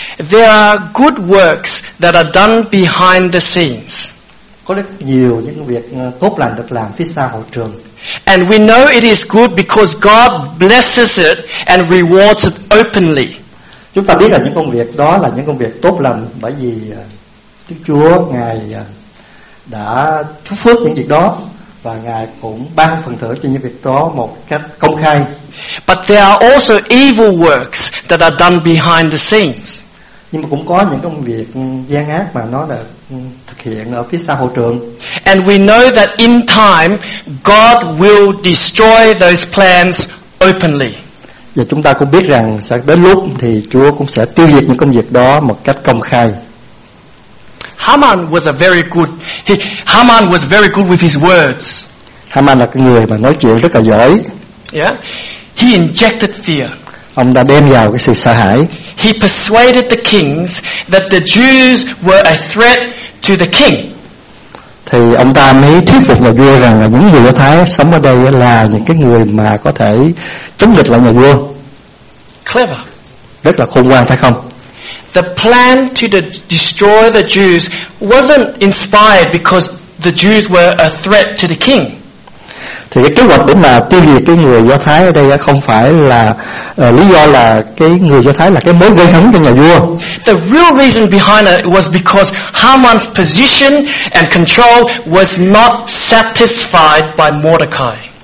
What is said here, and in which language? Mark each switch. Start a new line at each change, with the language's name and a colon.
English: There are good works that are done behind the scenes.
Vietnamese: Có rất nhiều những việc tốt lành được làm phía sau hậu trường.
English: And we know it is good because God blesses it and rewards it openly.
Vietnamese: Chúng ta biết là những công việc đó là những công việc tốt lành bởi vì Đức Chúa Ngài đã chúc phước những việc đó và Ngài cũng ban phần thưởng cho những việc đó một cách công khai.
English: But there are also evil works that are done behind the scenes.
Vietnamese: Nhưng mà cũng có những công việc gian ác mà nó là thực hiện ở phía sau hậu trường.
English: And we know that in time God will destroy those plans openly.
Vietnamese: Và chúng ta cũng biết rằng sẽ đến lúc thì Chúa cũng sẽ tiêu diệt những công việc đó một cách công khai.
English: Haman was a very good. Haman was very good with his words.
Vietnamese: Haman là cái người mà nói chuyện rất là giỏi.
English: Yeah. He injected fear.
Vietnamese: Ông đã đem vào cái sự sợ hãi.
English: He persuaded the kings that the Jews were a threat to the king.
Vietnamese: Thì ông ta mới thuyết phục nhà vua rằng là những người Do Thái sống ở đây là những cái người mà có thể chống địch lại nhà vua.
English: Clever.
Vietnamese: Rất là khôn ngoan phải không?
English: The plan to destroy the Jews wasn't inspired because the Jews were a threat to the king.
Vietnamese: Thì cái kế hoạch để mà tiêu diệt cái người Do Thái ở đây không phải là lý do là cái người Do Thái là cái mối gây hấn cho nhà vua.
English: The real reason behind it was because Haman's position and control was not satisfied by Mordecai.